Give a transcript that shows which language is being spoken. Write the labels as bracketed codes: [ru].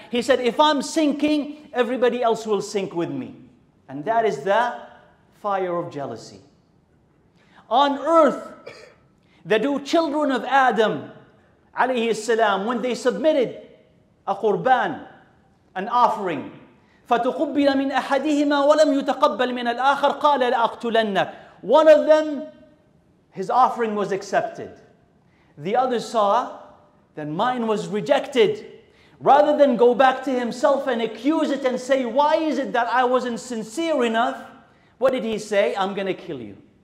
[en] He said, if I'm sinking, everybody else will sink with me. And that is the fire of jealousy. On earth, the two children of Adam, alayhi salam, when they submitted a qurban, an offering, [ar] فتقبل من أحدهما ولم يتقبل من الآخر قال لأقتلنك. [en] One of them, his offering was accepted. The other saw that mine was rejected. Rather than go back to himself and accuse it and say, why is it that I wasn't sincere enough? What did he say? I'm going to kill you.